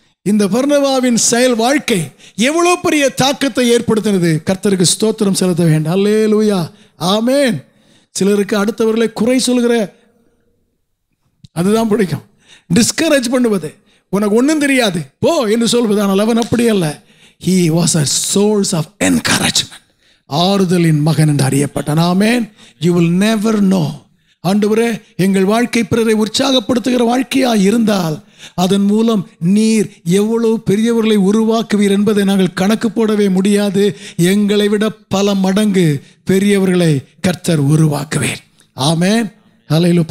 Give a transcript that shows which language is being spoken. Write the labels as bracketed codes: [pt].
[ta] இந்த பர்னபாவின் செயல் வாழ்க்கை எவ்வளோ பெரிய தாக்கத்தை ஏற்படுத்தினது. கர்த்தருக்கு ஸ்தோத்திரம் செலுத்த வேண்டும். ஹல்லேலூயா ஆமேன். சிலருக்கு அடுத்தவர்களை குறை சொல்கிற அதுதான் பிடிக்கும். டிஸ்கரேஜ் பண்ணுவது, உனக்கு ஒன்றும் தெரியாது போ என்று சொல்வது. ஆனால் அவன் அப்படி அல்ல. [en] He was a source of encouragement. [ta] ஆறுதலின் மகன் என்று அறியப்பட்டான். ஆமென். [en] You will never know. [ta] ஆண்டவரே, எங்கள் வாழ்க்கை பிறரை உற்சாகப்படுத்துகிற வாழ்க்கையாக இருந்தால் அதன் மூலம் நீர் எவ்வளவு பெரியவர்களை உருவாக்குவீர் என்பதை நாங்கள் கணக்கு போடவே முடியாது. எங்களை விட பல மடங்கு பெரியவர்களை கர்த்தர் உருவாக்குவீர். ஆமென். ஹல்லேலூயா.